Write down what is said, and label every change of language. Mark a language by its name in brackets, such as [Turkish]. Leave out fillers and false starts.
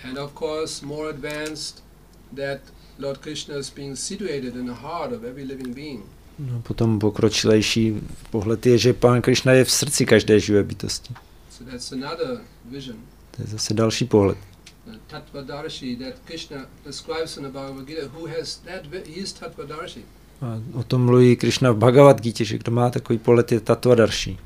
[English] And of course, more advanced that Lord Krishna is being situated in the heart of every living being. [Czech] No, potom pokročilejší pohled je, že Pán Krišna je v srdci každé živé bytosti. [English] So that's another vision. [Czech] To je zase další pohled. [English] Tatvadarshi that Krishna describes in the Bhagavad Gita, who has that he is Tatvadarshi. [Czech] A o tom mluví Krišna v Bhagavad Gita, že kdo má takový pohled, je Tatvadarshi.